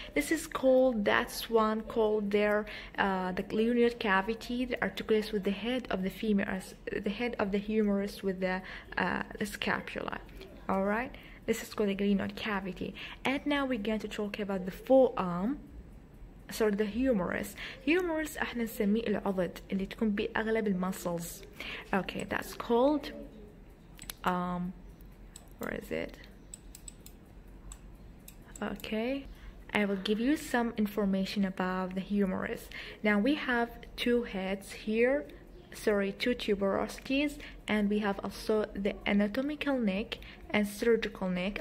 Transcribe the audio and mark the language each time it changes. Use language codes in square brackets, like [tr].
[en] This is called, that's one called there, the glenoid cavity that articulates with the head of the femurus, the head of the humerus with the scapula. All right, this is called the glenoid cavity. And now we're going to talk about the forearm. Sorry, the humerus. [ar] Humerus, احنا نسميه العضد اللي تكون بأغلب المسلز. [en] Okay, that's called, where is it? Okay, I will give you some information about the humerus. Now we have two heads here, sorry, two tuberosities, and we have also the anatomical neck and surgical neck.